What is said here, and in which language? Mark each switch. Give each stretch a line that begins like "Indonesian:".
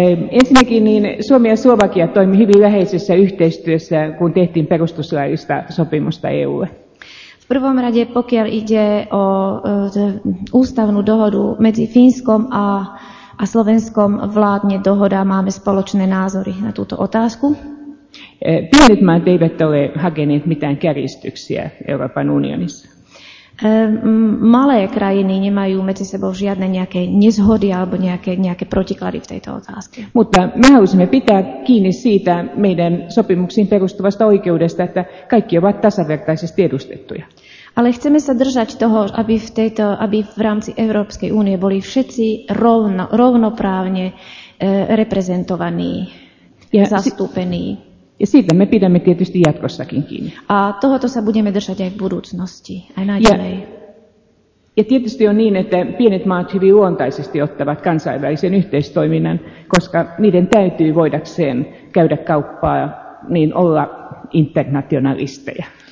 Finnish: Ensinnäkin niin Suomi ja Slovakia toimivat hyvin läheisessä yhteistyössä, kun tehtiin perustuslaillista sopimusta EU:lle.
Slovak: V prvom rade, pokiaľ ide o ústavnú dohodu medzi Fínskom a Slovenskom, vládne dohoda, máme spoločné názory na túto otázku.
Finnish: Pienet maat eivät ole hakeneet mitään kärjistyksiä Euroopan unionissa.
Slovak: Malé krajiny nemajú medzi sebou žiadne nejaké nezhody alebo nejaké protiklady v tejto otázke.
Finnish: Mutta me halusimme pitää kiinni siitä meidän sopimuksiin perustuvasta oikeudesta, että kaikki ovat tasavertaisesti edustettuja.
Slovak: Ale chceme sa držať toho, aby v rámci Európskej únie boli všetci rovnoprávne reprezentovaní, ja, zastúpení.
Finnish: Ja siitä me pidämme tietysti jatkossakin kiinni.
Slovak: A tohoto sa budeme držať aj v budúcnosti, aj naďalej.
Finnish: Ja tietysti on niin, että pienet maat hyvin luontaisesti ottavat kansainvälisen yhteistoiminnan, koska niiden täytyy voidakseen käydä kauppaa, niin olla internationalisteja.